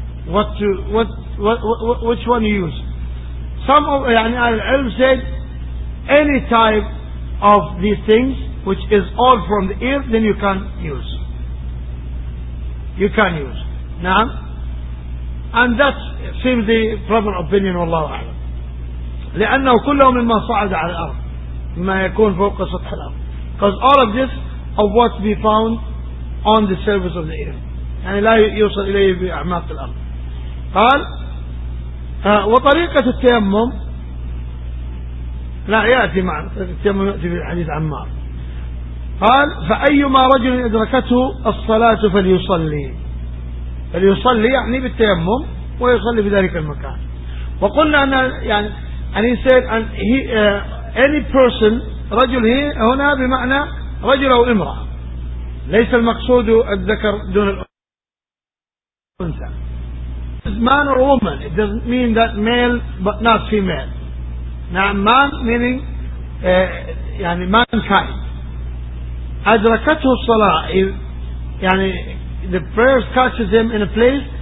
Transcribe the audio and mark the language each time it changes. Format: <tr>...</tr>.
<en>Which one you use? Some of</en> <ar>يعني العلم</ar> <en>said any type of these things which is all from the earth, then you can use. You can use. نعم. And that seems the proper opinion.</en> <ar>والله أعلم. لأنه كله مما صعد على الأرض. ما يكون فوق سطح الأرض.</ar> <en>Because all of this of what we found on the surface of the earth.</en> <ar>يعني لا يوصل إليه بأعماق الأرض. قال وطريقة التيمم لا يأتي معنا التيمم يأتي في الحديث عمار. قال فأيما رجل أدركته الصلاة فليصلي. فليصلي يعني بالتيمم ويصلي في ذلك المكان. وقلنا أن يعني</ar> <en>and he said and he any person</en> <ar>رجل هنا بمعنى رجل أو امرأة ليس المقصود الذكر دون الأنثى.</ar> <en>Man or woman, it doesn't mean that male but not female. نعم man meaning يعني mankind.</en> <ar>أدركته الصلاة</ar> <en>يعني the prayer catches him in a place</en>